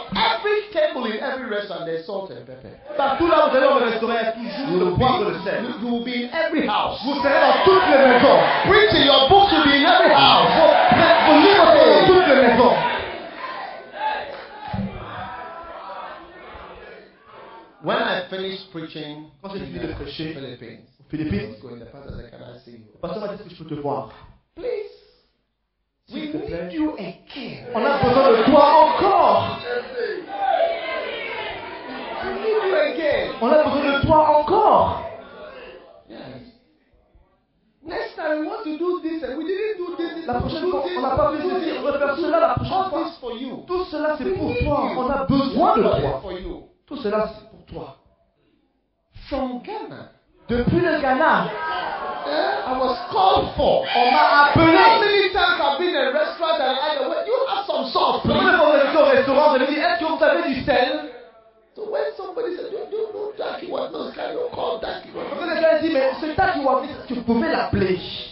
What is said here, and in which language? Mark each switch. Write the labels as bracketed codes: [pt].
[en] Every table in every restaurant, there's salt and pepper. [fr] Partout là où vous allez au restaurant, il y a toujours le poivre et le sel. [en] You will be in every house. [fr] Vous serez dans toutes les maisons. [en] Preaching your books will be in every house. [fr] Vous livrez dans toutes les maisons. [en] When I finish preaching, [fr] quand j'ai fini de prêcher, [en] Philippines, [fr] pasteur m'a dit que je peux te voir. [en] Please. [fr] S'il te plaît. [en] We need you again. [fr] On a besoin de toi encore. [en] We need you again. [fr] On a besoin de toi encore. [en] Yes. Next time we want to do this and we didn't do this. [fr] La prochaine fois, on n'a pas besoin de refaire cela. La prochaine fois, tout cela c'est pour toi. On a besoin de toi. Tout cela c'est pour toi. [en] From Ghana. [fr] Depuis le Ghana. [en] I was called for. [fr] On m'a appelé. [en] How many times I've been in a restaurant and I said, well, you have some salt, please. [fr] Quand je suis au restaurant, je me dis, est-ce que vous avez du sel? [en] So when somebody said, do you know that he was not kind of called that he was. [fr] Quand quelqu'un dit, mais c'est toi qui vas dire que tu pouvais l'appeler.